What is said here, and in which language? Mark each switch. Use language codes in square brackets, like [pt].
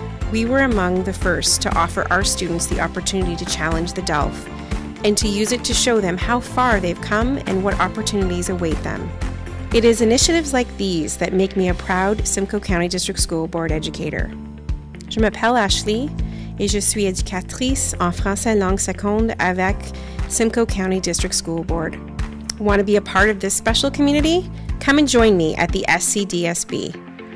[en] We were among the first to offer our students the opportunity to challenge the DELF and to use it to show them how far they've come and what opportunities await them. It is initiatives like these that make me a proud Simcoe County District School Board educator. [fr] Je m'appelle Ashleigh et je suis éducatrice en français langue seconde avec Simcoe County District School Board. [en] Want to be a part of this special community? Come and join me at the SCDSB.